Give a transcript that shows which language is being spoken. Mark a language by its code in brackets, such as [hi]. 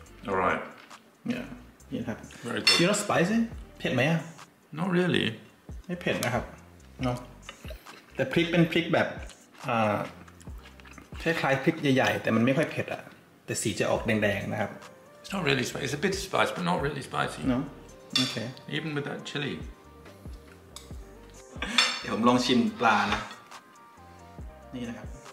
[en] all right [th] yeah นี่นะครับ [en] very good you know spicy [th] เผ็ดไหมอ่ะ [en] not really [th] ไม่เผ็ดนะครับ no แต่พริกเป็นพริกแบบ คล้ายๆพริกใหญ่ๆแต่มันไม่ค่อยเผ็ดอ่ะแต่สีจะออกแดงๆนะครับ [en] It's not really spicy. It's a bit spicy, but not really spicy. No. Okay. Even with that chili. [th] เดี๋ยวผมลองชิมปลานะนี่นะครับ